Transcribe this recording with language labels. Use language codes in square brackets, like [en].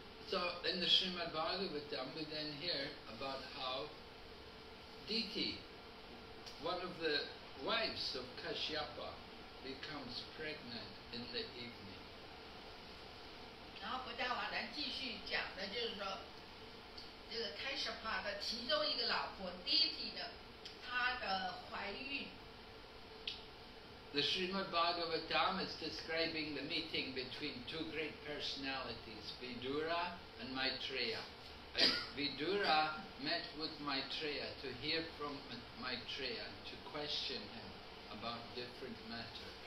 [en] So in the Srimad Bhagavatam, we then hear about how Diti, one of the wives of Kashyapa, becomes pregnant in the evening. [zh] 然后佛教王来继续讲的就是说，这个Kashyapa的其中一个老婆Diti呢，她的怀孕。 [en] The Srimad Bhagavatam is describing the meeting between two great personalities, Vidura and Maitreya. And Vidura met with Maitreya to hear from Maitreya, to question him about different matters.